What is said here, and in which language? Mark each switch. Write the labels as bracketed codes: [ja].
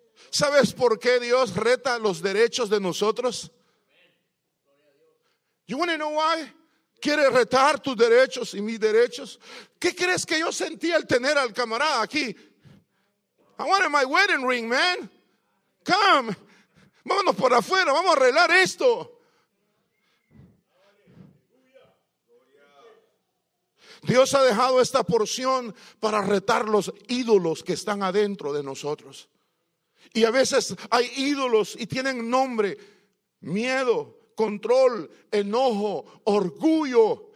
[es] ¿Sabes por qué Dios reta los derechos de nosotros? [en] You want to know why? [es] ¿Quiere retar tus derechos y mis derechos? ¿Qué crees que yo sentí al tener al camarada aquí? [en] I wanted my wedding ring, man. Come. [es] Vámonos por afuera, vamos a arreglar esto. Dios ha dejado esta porción para retar los ídolos que están adentro de nosotros. Y a veces hay ídolos y tienen nombre, miedo, control, enojo, orgullo.